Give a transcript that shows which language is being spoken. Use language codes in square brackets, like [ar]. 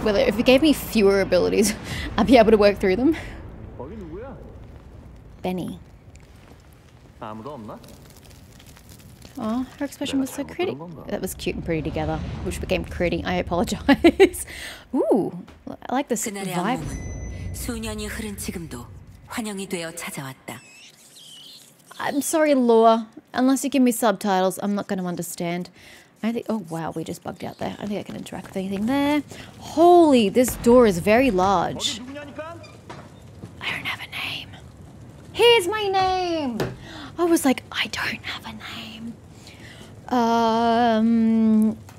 [en] Well, if it gave me fewer abilities, I'd be able to work through them. Benny. Oh, her expression was so pretty. That was cute and pretty together, which became pretty. I apologize. Ooh, I like this vibe. [ko] 수년이 흐른 지금도 환영이 되어 찾아왔다. [en] I'm sorry, Lore. Unless you give me subtitles, I'm not going to understand. I think. Oh wow, we just bugged out there. I think I can interact with anything there. Holy, this door is very large. I don't have a name. Here's my name. I was like, I don't have a name.